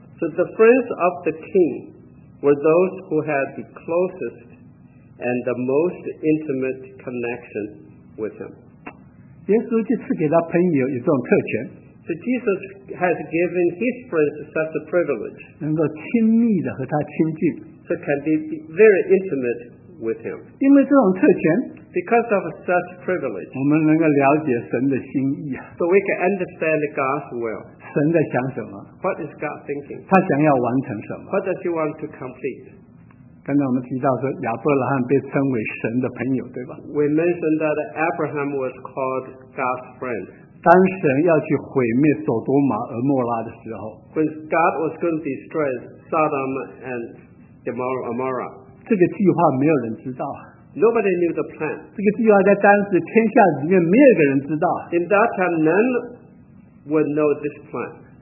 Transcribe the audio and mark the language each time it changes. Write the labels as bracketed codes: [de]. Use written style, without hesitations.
[en] So the friends of the king were those who had the closest and the most intimate connection with him. [zh] 耶稣就赐给他朋友有这种特权。 [en] So Jesus has given his friends such a privilege. [zh] 能够亲密地和他亲近, [en] so can be very intimate with him. [zh] 因为这种特权, [en] because of such privilege, [zh] 我们能够了解神的心意, [en] so we can understand God's will. [zh] 神在想什么, [en] what is God thinking? [zh] 他想要完成什么, [en] what does he want to complete? [zh] 刚才我们提到说亚伯拉罕被称为神的朋友, 对吧? [en] We mentioned that Abraham was called God's friend. [zh] 当神要去毁灭索多玛和摩拉的时候, [en] When God was going to destroy Sodom and Gomorrah, [zh] 这个计划没有人知道, [en] Nobody knew the plan. [zh] 这个计划在当时天下里面没有一个人知道, [en] In that time, none would know this plan.